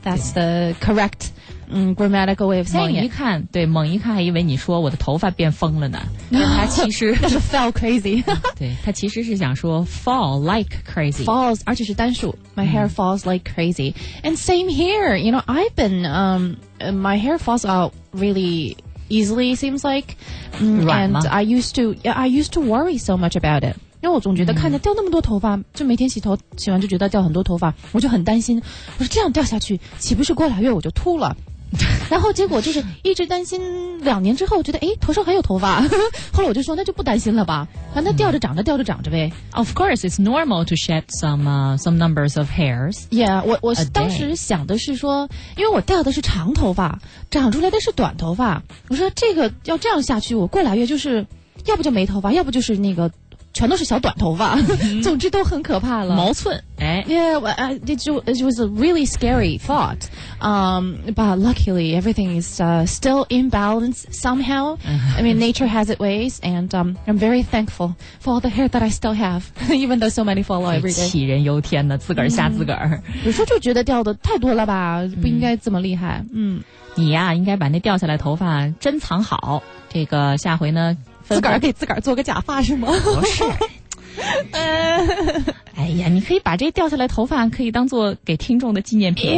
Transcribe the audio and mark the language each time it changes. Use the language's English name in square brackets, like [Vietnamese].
[English] That's the correct grammatical way of saying it. [Chinese] 猛一看，对，猛一看还以为你说我的头发变疯了呢。他其实是 [English] fell crazy [Chinese] 对他其实是想说 [English] fall like crazy falls [Chinese] 而且是单数 [English] my hair falls like crazy and same here you know I've been my hair falls out really easily seems like and I used to worry so much about it [Chinese] 因为我总觉得看着掉那么多头发就每天洗头洗完就觉得掉很多头发我就很担心我说这样掉下去岂不是过两月我就秃了然后结果就是一直担心两年之后觉得诶头上还有头发后来我就说那就不担心了吧反正吊着长着吊着长着呗 [English] Of course it's normal to shed some numbers of hairs [Chinese] Yeah 我当时想的是说因为我掉的是长头发长出来的是短头发我说这个要这样下去我过来月就是要不就没头发要不就是那个全都是小短头发总之都很可怕了毛寸 [English] 哎 Yeah, it was a really scary thought But luckily everything is still in balance somehow I mean nature has its ways And I'm very thankful for all the hair that I still have Even though so many fall out every day [Chinese] 杞人忧天的自个儿吓自个儿有时候就觉得掉的太多了吧不应该这么厉害你呀、应该把那掉下来头发珍藏好这个下回呢自个儿给自个儿做个假发是吗不是哎呀你可以把这掉下来头发可以当做给听众的纪念品